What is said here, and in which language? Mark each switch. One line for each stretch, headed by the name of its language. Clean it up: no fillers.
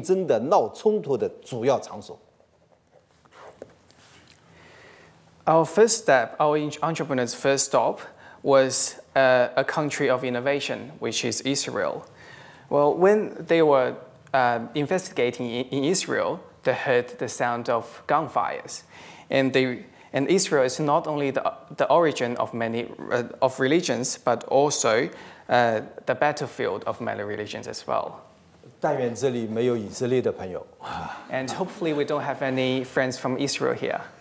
Chinese: 我们的第一站，许多企业家到了一个科技强国，以色列。以色列的科技发展相当了不起。最后，我们企业家在考察的过程中，听到了枪炮声。因为在以色列，即使世界宗教的主要发源地，也是当今世界宗教的竞争的闹冲突的主要场所。
English: Our first step, our entrepreneur's first stop was a country of innovation, which is Israel. Well, when they were investigating in Israel, they heard the sound of gunfires. And Israel is not only the origin of many of religions, but also the battlefield of many religions as well.
Chinese: 但愿这里没有以色列的朋友。
English: And hopefully we don't have any friends from Israel here.